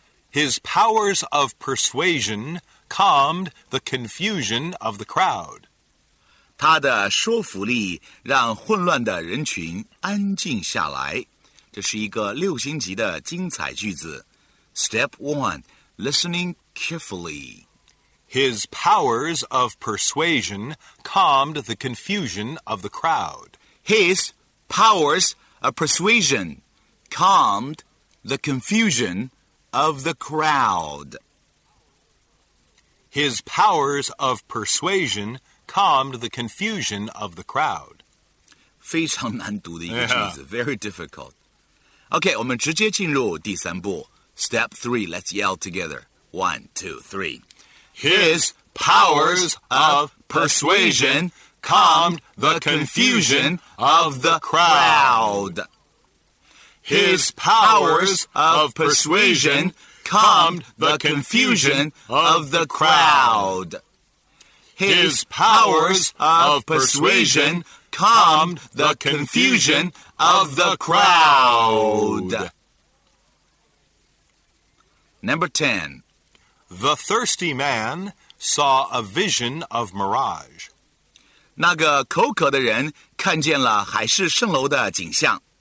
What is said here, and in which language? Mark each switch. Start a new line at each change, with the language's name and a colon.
English: His powers of persuasion calmed the confusion of the crowd.
Chinese: 他的说服力让混乱的人群安静下来。这是一个六星级的精彩句子。
English: Step one, listening carefully. His powers of persuasion calmed the confusion of the crowd. His powers of persuasion calmed the confusion of the crowd. His powers of persuasion calmed the confusion of the crowd.
Chinese: 非常难读的一个句子、
English: yeah. Very difficult.
Chinese: OK, 我们直接进入第三步。
English: Step three, let's yell together. One, two, three. His powers of persuasion calmed the confusion of the crowd. His powers of persuasion calmed the confusion of the crowd. His powers of persuasion calmed the confusion of the crowd. Number 10. The thirsty man saw a vision of mirage.
Chinese: 那个口渴的人看见了海市蜃楼的景象。